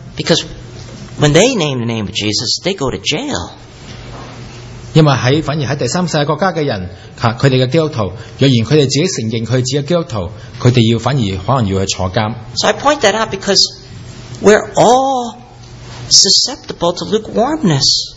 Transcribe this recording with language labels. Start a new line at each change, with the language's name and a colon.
English: Because when they name the name of Jesus, they go to jail.
Chinese: 因为反而在第三世界国家的人，他们的基督徒，若然他们自己承认他们自己的基督徒，他们反而可能要去坐监。
English: So I point that out because we're all susceptible to lukewarmness.